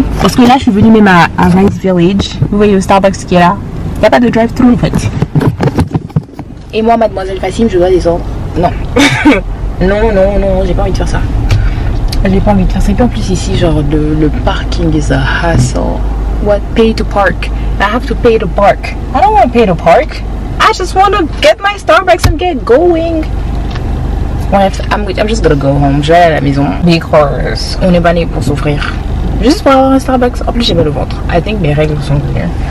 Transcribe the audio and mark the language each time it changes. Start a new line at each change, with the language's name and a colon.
French: Parce que là, je suis venue même à Rice Village. Vous voyez le Starbucks qui est là. Il n'y a pas de drive-thru en fait. Et moi, mademoiselle Fassim, je dois descendre. Non. Non, j'ai pas envie de faire ça. J'ai pas envie de faire ça. Et puis en plus ici, genre le parking
English: is a hassle. What? Pay to park. I have to pay to park. I don't want to pay to park. I just want to get my Starbucks and get going. Bref, I'm just gonna go home.
French: Je vais aller à la maison.
English: Because
French: on n'est pas né pour souffrir. Juste pour avoir un Starbucks. En plus, j'ai mal au ventre.
English: I think
French: mes règles sont bien.